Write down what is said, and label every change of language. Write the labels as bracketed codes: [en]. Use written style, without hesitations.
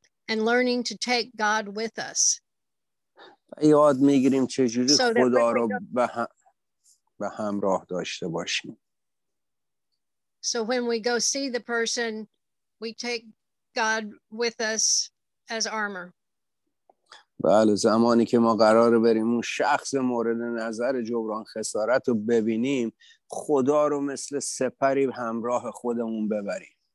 [en] And learning to take God with us. [fa] یاد میگیریم چجوری خدا رو به همراه داشته باشیم. [en] So when we go see the person, we take God with us as armor. [fa] بله، زمانی که ما قرار بریم اون شخص مورد نظر جبران خسارت رو ببینیم، خدا رو مثل سپری همراه خودمون ببریم.